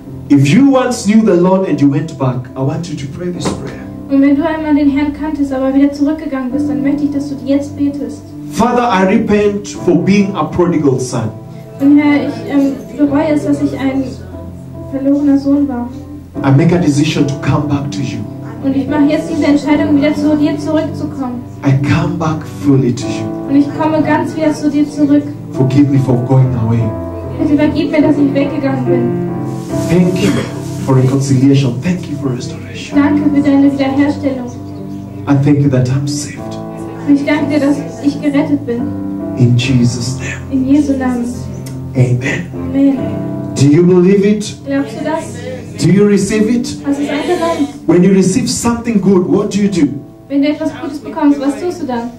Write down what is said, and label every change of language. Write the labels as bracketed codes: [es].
[en] If you once knew the Lord and you went back, I want you to pray this prayer. [de] Und wenn du einmal den Herrn kanntest, aber wieder zurückgegangen bist, dann möchte ich, dass du jetzt betest. [en] Father, I repent for being a prodigal son. [de] Und Herr, ich bereue es, dass ich ein verlorener Sohn war. [en] I make a decision to come back to you. [de] Und ich mache jetzt diese Entscheidung, wieder zu dir zurückzukommen. [en] I come back fully to you. [de] Und ich komme ganz wieder zu dir zurück. [en] Forgive me for going away. [de] Bitte vergib mir, dass ich weggegangen bin. [en] Thank you for reconciliation. Thank you for restoration. [de] Danke für deine Wiederherstellung. [en] I thank you that I'm saved. [de] Ich danke dir, dass ich gerettet bin. [en] In Jesus' name. [de] In Jesu Namen. [en] Amen. [de] Amen. [en] Do you believe it? [de] Glaubst du das? [en] Do you receive it? [de] Hast du es angenommen? [en] When you receive something good, what do you do? [de] Wenn du etwas Gutes bekommst, was tust du dann?